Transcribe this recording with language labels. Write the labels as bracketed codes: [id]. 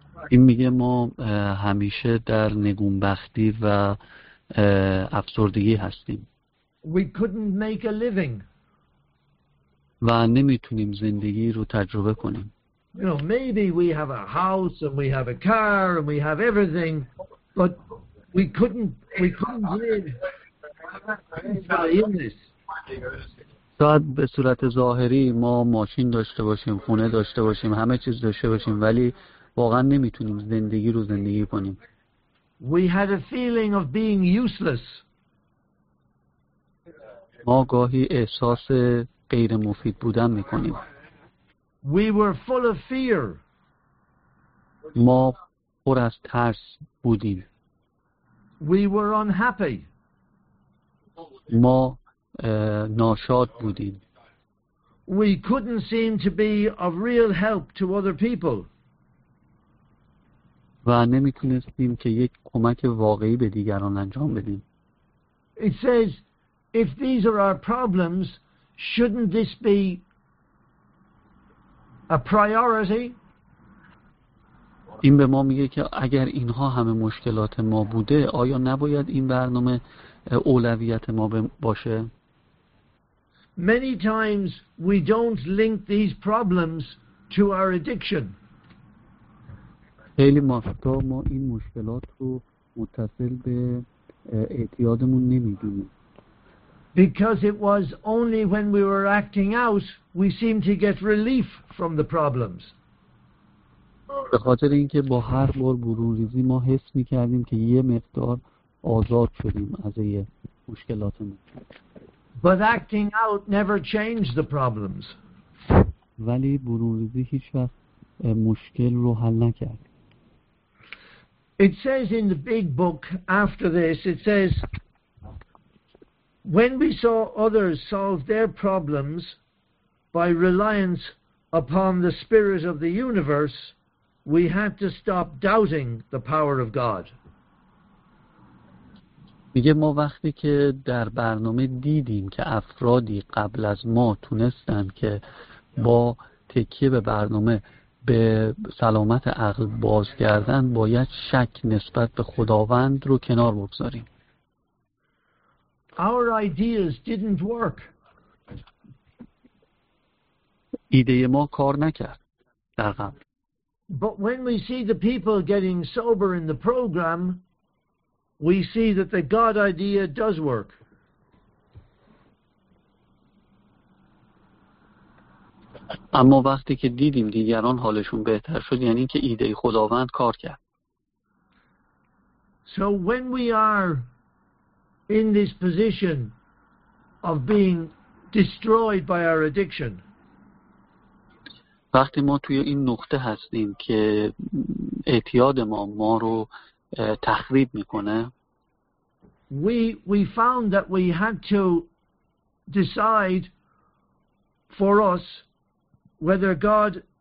[fa] این میگه ما همیشه در نگونبختی و افسردگی هستیم. [en] We couldn't make a living. [fa] و نمیتونیم زندگی رو تجربه کنیم. [en] You know, maybe we have a house and we have a car and we have everything, but we couldn't live in this. [fa] شاید به صورت ظاهری ما ماشین داشته باشیم، خونه داشته باشیم، همه چیز داشته باشیم، ولی واقعا نمیتونیم زندگی رو زندگی کنیم. [en] We had a feeling of being useless. [fa] ما گاهی احساس غیر مفید بودن میکنیم. [en] We were full of fear. [fa] ما پر از ترس بودیم. [en] We were unhappy. [fa] ما ناشاد بودیم. [en] We couldn't seem to be of real help to other people. [fa] و نمیتونستیم که یک کمک واقعی به دیگران انجام بدیم. [en] It says, if these are our problems, shouldn't this be a priority? [fa] این به ما میگه که اگر اینها همه مشکلات ما بوده، آیا نباید این برنامه اولویت ما باشه؟ [en] Many times we don't link these problems to our addiction. [fa] خیلی وقتا ما این مشکلات رو متصل به اعتیادمون نمی‌دونیم. [en] Because it was only when we were acting out we seemed to get relief from the problems. [fa] به خاطر اینکه با هر بار برون‌ریزی ما حس می‌کردیم که یه مقدار آزاد شدیم از این مشکلاتمون. [en] But acting out never changed the problems. [fa] ولی برون‌ریزی هیچ وقت مشکل رو حل نکرد. [en] It says in the big book after this, it says, when we saw others solve their problems by reliance upon the spirit of the universe, we had to stop doubting the power of God. [fa] میگه ما وقتی که در برنامه دیدیم که افرادی قبل از ما تونستن که با تکیه به برنامه به سلامت عقل بازگردن، باید شک نسبت به خداوند رو کنار بگذاریم. [en] Our ideas didn't work. [fa] ایده ما کار نکرد در قبل. [en] But when we see the people getting sober in the program, we see that the God idea does work. [fa] اما وقتی که دیدیم دیگران حالشون بهتر شد، یعنی که ایده خداوند کار کرد. [en] So when we are in this position of being destroyed by our addiction, [fa] وقتی ما توی این نقطه هستیم که اعتیاد ما رو تخریب میکنه، [en] We found that we had to decide for us whether God